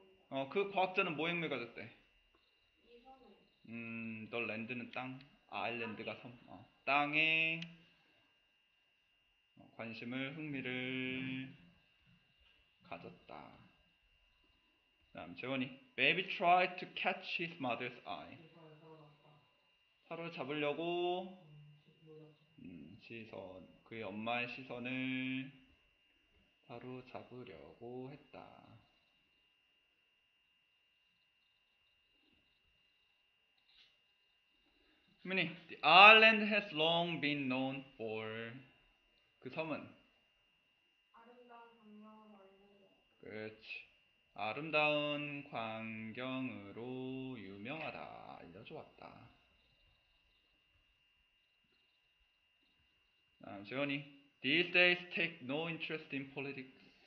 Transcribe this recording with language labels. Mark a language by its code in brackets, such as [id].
[ko] 어, 그 과학자는 뭐 행위 가졌대? 더 랜드는 땅, 아일랜드가 섬, 어, 땅에 관심을, 흥미를 가졌다. 그 다음 [en] 재원이, baby tried to catch his mother's eye. [ko] 사로잡으려고 시선, 그의 엄마의 시선을 사로잡으려고 했다. [en] 민이, the island has long been known for. [ko] 그 섬은 아름다운 광경으로 유명하다. 그렇지. 아름다운 광경으로 유명하다. 알려주었다. [en] 재원이, these days take no interest in politics.